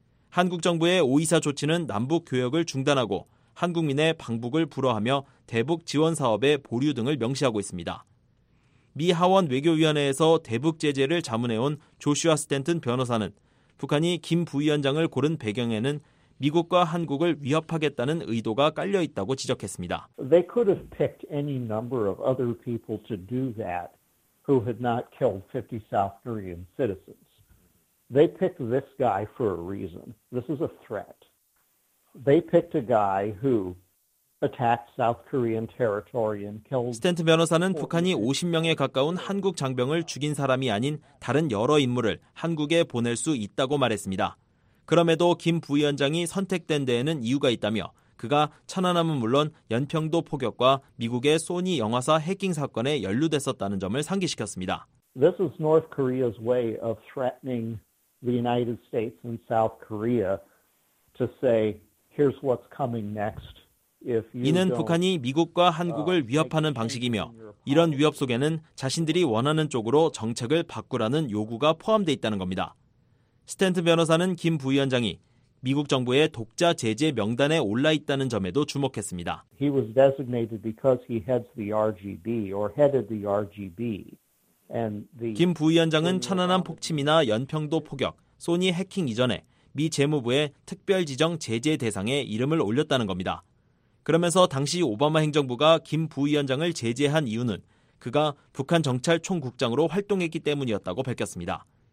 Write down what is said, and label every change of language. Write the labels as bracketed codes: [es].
[ko] 한국 정부의 524 조치는 남북 교역을 중단하고 한국민의 방북을 불허하며 대북 지원 사업의 보류 등을 명시하고 있습니다. 미 하원 외교위원회에서 대북 제재를 자문해온 조슈아 스탠튼 변호사는 북한이 김 부위원장을 고른 배경에는 미국과 한국을 위협하겠다는 의도가 깔려 있다고 지적했습니다. [en] They could have picked any number of other people to do that who had not killed 50 South Korean citizens. They picked this guy for a reason. This is a threat. They picked a guy who attacked South Korean territory and killed [ko] 스탠튼 변호사는 북한이 50명에 가까운 한국 장병을 죽인 사람이 아닌 다른 여러 인물을 한국에 보낼 수 있다고 말했습니다. 그럼에도 김 부위원장이 선택된 데에는 이유가 있다며 그가 천안함은 물론 연평도 포격과 미국의 소니 영화사 해킹 사건에 연루됐었다는 점을 상기시켰습니다. [en] This is North Korea's way of threatening the United States and South Korea to say, here's what's coming next. [ko] 이는 북한이 미국과 한국을 위협하는 방식이며 이런 위협 속에는 자신들이 원하는 쪽으로 정책을 바꾸라는 요구가 포함되어 있다는 겁니다. 스탠튼 변호사는 김 부위원장이 미국 정부의 독자 제재 명단에 올라 있다는 점에도 주목했습니다. [en] He was designated because he heads the RGB or headed the RGB. And the [ko] 김 부위원장은 천안함 폭침이나 연평도 포격, 소니 해킹 이전에 미 재무부의 특별 지정 제재 대상에 이름을 올렸다는 겁니다. 그러면서 당시 오바마 행정부가 김 부위원장을 제재한 이유는 그가 북한 정찰 총국장으로 활동했기 때문이었다고 밝혔습니다.